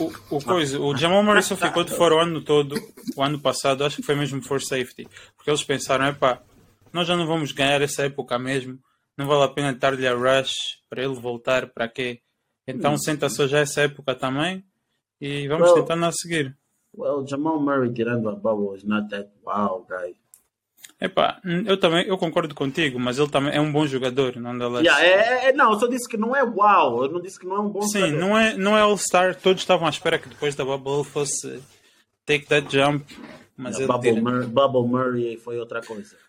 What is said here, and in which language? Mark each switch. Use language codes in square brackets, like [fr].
[pt] O Jamal Murray só ficou de fora o ano todo, o ano passado, acho que foi mesmo [en] for safety. [pt] Porque eles pensaram, epá, nós já não vamos ganhar essa época mesmo, não vale a pena dar-lhe a rush para ele voltar, para quê? Então senta só já essa época também e vamos tentar a seguir. [en] Well, Jamal Murray [pt] tirando a [en] bubble is not that wow, guy. [pt] Epá, eu também, eu concordo contigo, mas ele também é um bom jogador, não dá Não, eu só disse que não é uau, eu não disse que não é um bom jogador. Sim, não é All-Star, todos estavam à espera que depois da Bubble fosse [en] take that jump, [pt] mas ele Bubble Murray foi outra coisa.